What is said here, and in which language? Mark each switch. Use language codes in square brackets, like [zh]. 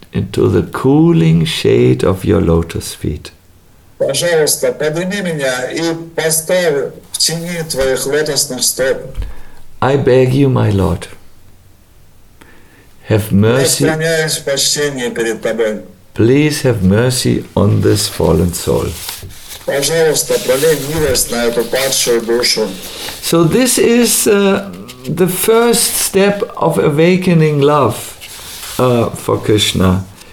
[en] into the cooling shade of your lotus feet. [ru] Пожалуйста, подними меня и поставь в тени твоих лотосных стоп. [en] I beg you, my Lord, have mercy. [ru] Я склоняюсь в почтении перед тобой. [en] Please have mercy on this fallen soul. [ru] Пожалуйста, пролей милость на эту падшую душу. [en] So this is the first step of awakening love for Krishna.